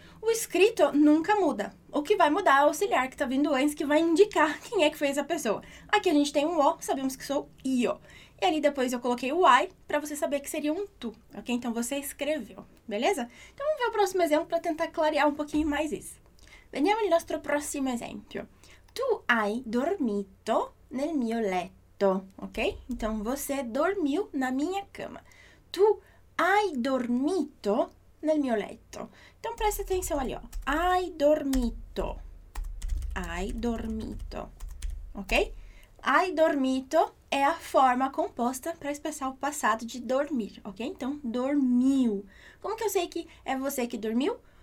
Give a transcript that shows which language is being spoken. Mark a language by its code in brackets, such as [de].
[pt] O escrito nunca muda. O que vai mudar é o auxiliar que está vindo antes, que vai indicar quem é que fez a pessoa. Aqui a gente tem um O, sabemos que sou io. E ali depois eu coloquei o I para você saber que seria um tu, ok? Então você escreveu, beleza? Então vamos ver o próximo exemplo para tentar clarear um pouquinho mais isso. [it] Veniamo al nostro prossimo esempio. Tu hai dormito nel mio letto, ok? [pt] Então você dormiu na minha cama. [it] Tu hai dormito nel mio letto. [pt] Então presta atenção ali, ó. Hai dormito. Hai dormito. Ok? Hai dormito é a forma composta para expressar o passado de dormir, ok? Então, dormiu. Como que eu sei que é você que dormiu?